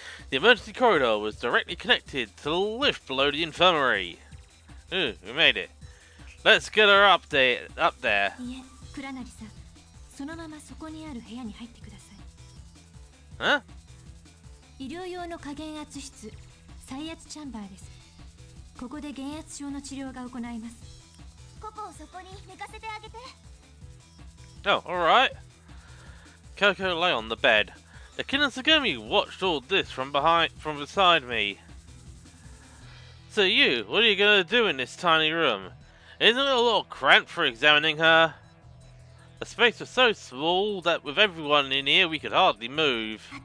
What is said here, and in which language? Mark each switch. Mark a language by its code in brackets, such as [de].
[en] The emergency corridor was directly connected to the lift below the infirmary. Ooh, we made it. Let's get her up there. [ja] いえ、クラナリさん、そのままそこにある部屋に入ってください。え？医療用の加減圧室、再圧チャンバーです。ここで減圧症の治療が行います。ココをそこに寝かせてあげて。 [en] Oh, all right. Coco lay on the bed. The kid and Sugumi watched all this from beside me. So you, what are you going to do in this tiny room? Isn't it a little cramped for examining her? The space was so small that with everyone in here, we could hardly move.